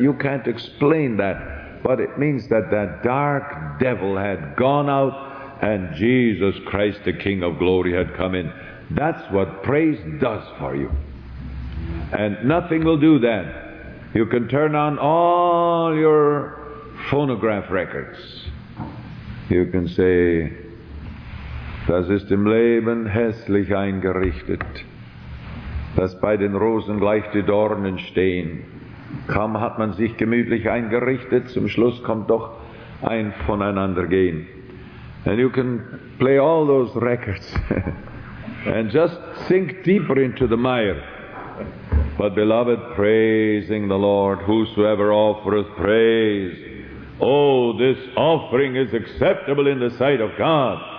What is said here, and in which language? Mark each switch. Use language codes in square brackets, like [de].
[en] You can't explain that, but it means that that dark devil had gone out and Jesus Christ, the King of Glory, had come in. That's what praise does for you. And nothing will do that. You can turn on all your phonograph records. You can say, [de] Das ist im Leben hässlich eingerichtet, dass bei den Rosen gleich die Dornen stehen. Kaum hat man sich gemütlich eingerichtet, zum Schluss kommt doch ein Voneinandergehen. [en] And you can play all those records and just sink deeper into the mire. But beloved, praising the Lord, whosoever offereth praise, oh, this offering is acceptable in the sight of God.